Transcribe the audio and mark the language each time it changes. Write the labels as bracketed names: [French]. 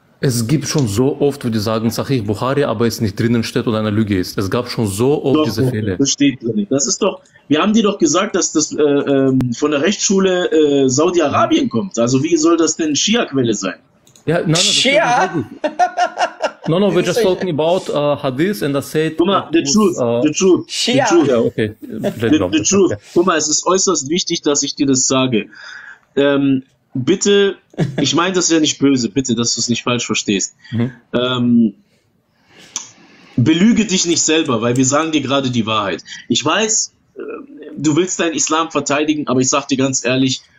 [German] Es gibt schon so oft, wo die sagen, Sahih Bukhari, aber es nicht drinnen steht oder eine Lüge ist. Es gab schon so oft diese Fälle. Das steht drin. Das ist doch, wir haben dir doch gesagt, dass das von der Rechtsschule Saudi-Arabien kommt. Also wie soll das denn Schia-Quelle sein? Ja, nein, Schia? [English] No, we're just talking about Hadith and I said... [German] Guck mal, [English] the truth. [German] Schia. [English] The truth. [German] Ja, okay. [English] The truth. Okay. [German] Guck mal, es ist äußerst wichtig, dass ich dir das sage. Bitte, ich meine das ja nicht böse, bitte, dass du es nicht falsch verstehst. Mhm. Belüge dich nicht selber, weil wir sagen dir gerade die Wahrheit. Ich weiß, du willst deinen Islam verteidigen, aber ich sag dir ganz ehrlich,